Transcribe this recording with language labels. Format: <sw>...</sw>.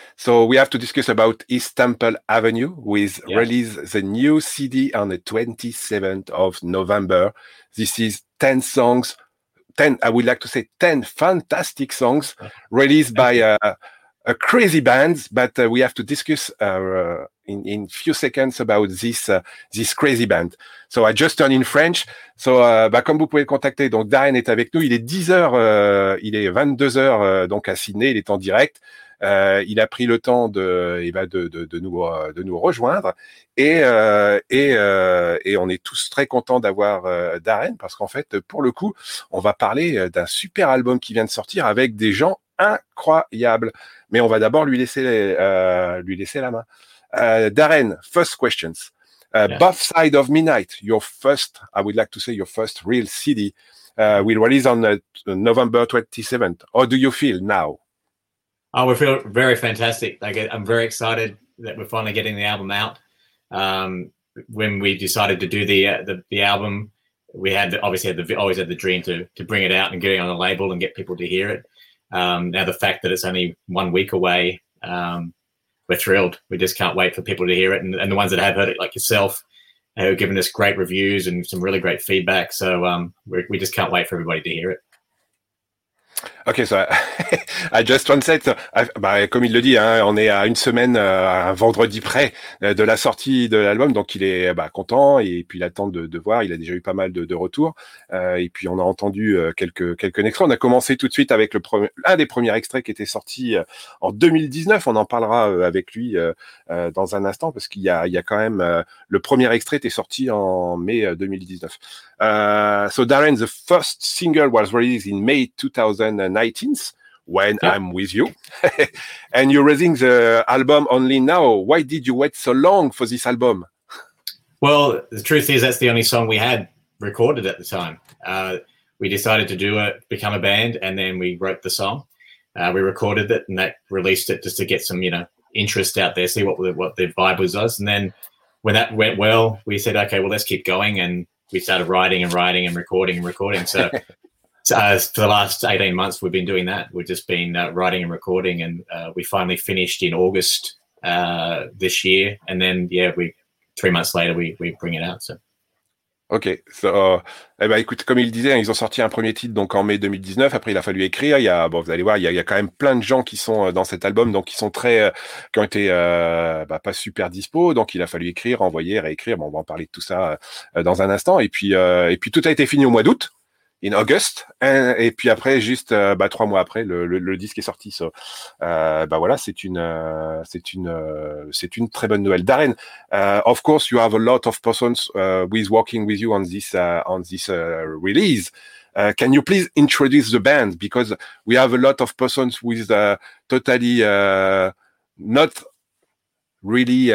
<en>So, we have to discuss about East Temple Avenue, which released the new CD on the 27th of November. This is 10 songs, 10, I would like to say 10 fantastic songs released by a crazy band, but we have to discuss in few seconds about this this crazy band. So I just turn in French.</en> <fr>So bah, comme vous pouvez le contacter, donc Darren est avec nous, il est 10h, il est 22h donc à Sydney, il est en direct. Il a pris le temps de nous rejoindre et on est tous très contents d'avoir Darren parce qu'en fait pour le coup on va parler d'un super album qui vient de sortir avec des gens incroyables, mais on va d'abord lui laisser la main.</fr> <en>Darren, first questions. Buff Side of Midnight, your first, I would like to say your first real CD, will release on November 27th. How do you feel now? Oh, we feel very fantastic. I'm very excited that we're finally getting the album out. When we decided to do the album, we had always had the dream to bring it out and get it on a label and get people to hear it. Now the fact that it's only 1 week away, we're thrilled. We just can't wait for people to hear it. And the ones that have heard it, like yourself, have given us great reviews and some really great feedback. So we just can't wait for everybody to hear it. Okay, so I just want to say,</en> <fr>comme il le dit, hein, on est à une semaine, un vendredi près de la sortie de l'album, donc il est content et puis il attend de voir. Il a déjà eu pas mal de retours et puis on a entendu quelques extraits. On a commencé tout de suite avec un des premiers extraits qui était sorti en 2019. On en parlera avec lui dans un instant parce qu'il y a quand même le premier extrait était sorti en mai 2019.</fr> <en>So Darren, the first single was released in May 2019 when I'm with you and you're releasing the album only now. Why did you wait so long for this album? Well, the truth is that's the only song we had recorded at the time. We decided to become a band and then we wrote the song. We recorded it and that released it just to get some, you know, interest out there, see what the vibe was. And then when that went well, we said, okay, well, let's keep going. And we started writing and recording and recording. So, for the last 18 months, we've been doing that. We've just been writing and recording, and we finally finished in August this year. And then, 3 months later, we bring it out. So.</en> <fr>Ok, so, écoute, comme il disait, ils ont sorti un premier titre donc en mai 2019. Après, il a fallu écrire. Vous allez voir, il y a quand même plein de gens qui sont dans cet album, donc qui sont très, qui ont été pas super dispo. Donc, il a fallu écrire, envoyer, réécrire. Bon, on va en parler de tout ça dans un instant. Et puis, tout a été fini au mois d'août,</fr> <en>in August.</en> <fr>Et puis après, juste 3 mois après, le disque est sorti. So, c'est une très bonne nouvelle.</fr> <en>Darren, of course, you have a lot of persons with working with you on this release. Can you please introduce the band? Because we have a lot of persons with totally not really.</en>